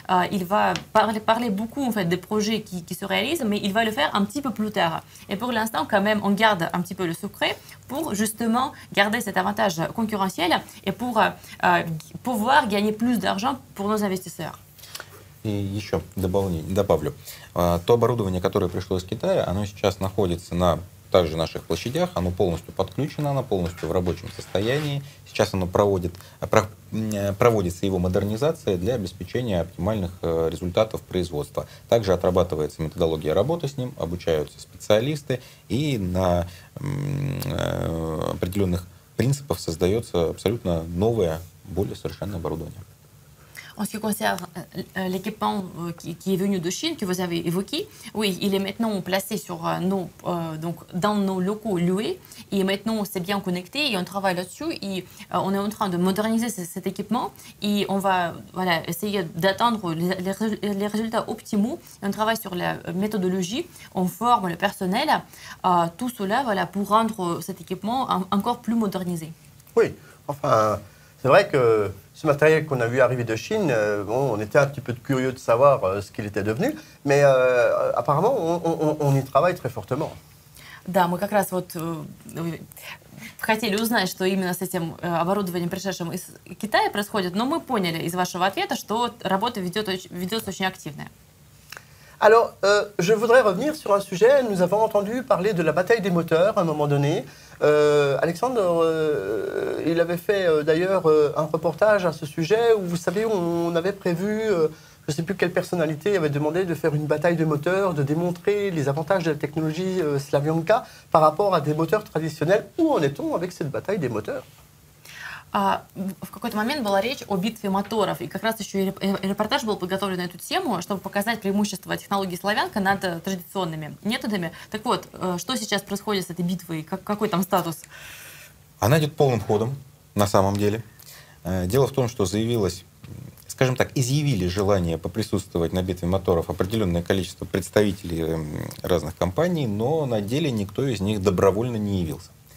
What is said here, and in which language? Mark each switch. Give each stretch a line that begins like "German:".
French: Il va parler beaucoup, en fait, des projets qui se réalisent, mais il va le faire un petit peu plus tard. Et pour l'instant, quand même, on garde un petit peu le secret pour justement garder cet avantage concurrentiel et pour pouvoir gagner plus d'argent pour nos investisseurs.
Russian: И еще добавлю. То оборудование, которое пришло из Китая, оно сейчас находится на также наших площадях, оно полностью подключено, оно полностью в рабочем состоянии. Сейчас оно проводится его модернизация для обеспечения оптимальных результатов производства. Также отрабатывается методология работы с ним, обучаются специалисты, и на определенных принципах создается абсолютно новое, более совершенное оборудование.
French: En ce qui concerne l'équipement qui est venu de Chine, que vous avez évoqué, oui, il est maintenant placé sur nos, donc dans nos locaux loués. Et maintenant, c'est bien connecté et on travaille là-dessus. Et on est en train de moderniser cet équipement et on va voilà, essayer d'atteindre les résultats optimaux. Et on travaille sur la méthodologie, on forme le personnel, tout cela voilà, pour rendre cet équipement encore plus modernisé. Oui, enfin, c'est vrai que ce matériel qu'on a vu arriver de Chine, bon, on était un petit peu curieux de savoir ce qu'il était devenu, mais apparemment, on y travaille très fortement.
Russian: Да, мы как раз вот хотели узнать, что именно с этим оборудованием, пришедшим из Китая, происходит, но мы поняли из вашего ответа, что работа ведется очень активно.
French: Alors, je voudrais revenir sur un sujet. Nous avons entendu parler de la bataille des moteurs à un moment donné. Alexandre, il avait fait d'ailleurs un reportage à ce sujet où, vous savez, on avait prévu, je ne sais plus quelle personnalité avait demandé de faire une bataille de moteurs, de démontrer les avantages de la technologie Slavyanka par rapport à des moteurs traditionnels. Où en est-on avec cette bataille des moteurs ?
Russian: В какой-то момент была речь о битве моторов, и как раз еще и репортаж был подготовлен на эту тему, чтобы показать преимущество технологии Славянка над традиционными методами. Так вот, что сейчас происходит с этой битвой, какой там статус? Она идет полным ходом, на самом деле. Дело в том, что изъявили желание поприсутствовать на битве моторов определенное количество представителей разных компаний, но на деле никто из них добровольно не явился.